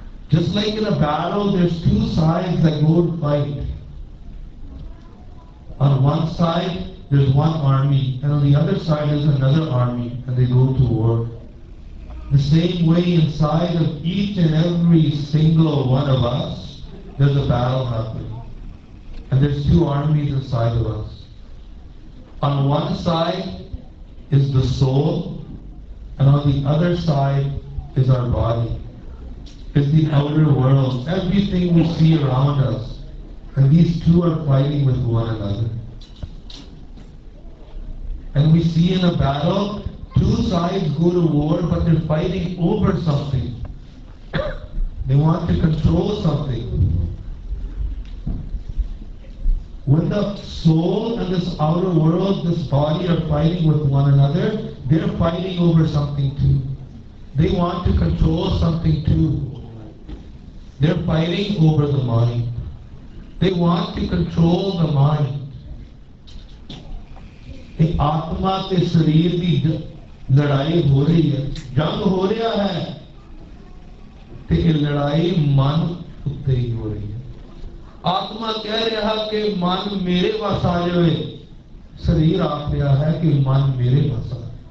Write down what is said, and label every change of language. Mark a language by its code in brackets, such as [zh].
[en] Just like in a battle there two sides that go to fight, on one side there is one army and on the other side is another army and they go to war. The same way inside of each and every single one of us there is a battle happening and there is two armies inside of us. On one side is the soul and on the other side is our body, is the outer world, everything we see around us, and these two are fighting with one another. And we see in a battle, two sides go to war, but they're fighting over something. They want to control something. When the soul and this outer world, this body are fighting with one another, they're fighting over something too. They want to control something too. They're fighting over the mind. They want to control the mind. [pa] ਇਹ ਆਤਮਾ ਤੇ ਸਰੀਰ ਦੀ ਲੜਾਈ ਹੋ ਰਹੀ ਹੈ, ਜੰਗ ਹੋ ਰਿਹਾ ਹੈ, ਤੇ ਇਹ ਲੜਾਈ ਮਨ ਉੱਤੇ ਹੀ ਹੋ ਰਹੀ ਹੈ। ਆਤਮਾ ਕਹਿ ਰਿਹਾ ਕਿ ਮਨ ਮੇਰੇ ਪਾਸ ਆ ਜਾਵੇ, ਸਰੀਰ ਆਖ ਰਿਹਾ ਹੈ ਕਿ ਮਨ ਮੇਰੇ ਪਾਸ ਆ।